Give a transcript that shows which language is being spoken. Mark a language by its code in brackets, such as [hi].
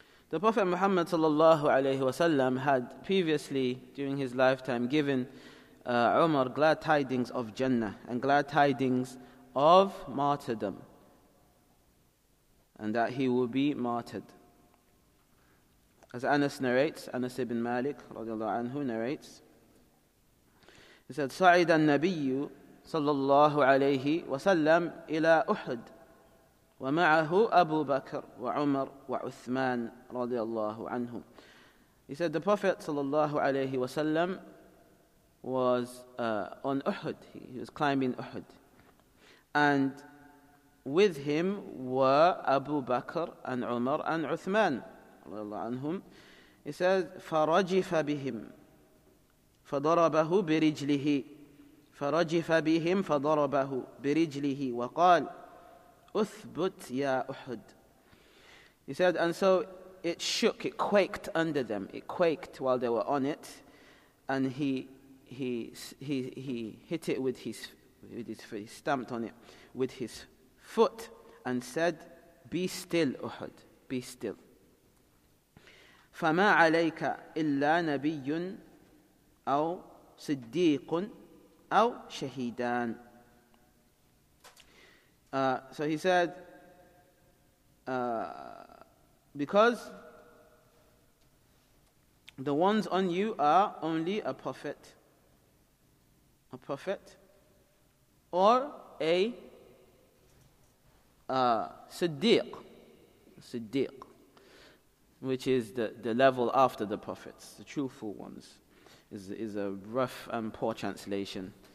[en] The Prophet Muhammad sallallahu alayhi wasallam had previously during his lifetime given Umar glad tidings of Jannah and glad tidings of martyrdom, and that he will be martyred. As Anas narrates, Anas ibn Malik radiallahu anhu narrates, he said, [ar] صعد النبي صلى الله عليه وسلم إلى أحد ومعه أبو بكر وعمر وعثمان رضي الله عنهم. [en] He said the Prophet [ar] صلى الله عليه وسلم [en] was on Uhud. He was climbing Uhud. And with him were Abu Bakr and Umar and Uthman [ar] رضي الله عنهم. [en] He said [ar] فرجف بهم فضربه برجله فرجف بهم فضربه برجله وقال أثبت يا أحد. [en] He said, and so it shook, it quaked under them, it quaked while they were on it, and he hit it with his he stamped on it with his foot and said, be still أحد, be still. [ar] فما عليك إلا نبي أو صديق أو شهيدان. [en] So he said, because the ones on you are only a prophet, or a Siddiq, which is the level after the prophets, the truthful ones, is a rough and poor translation.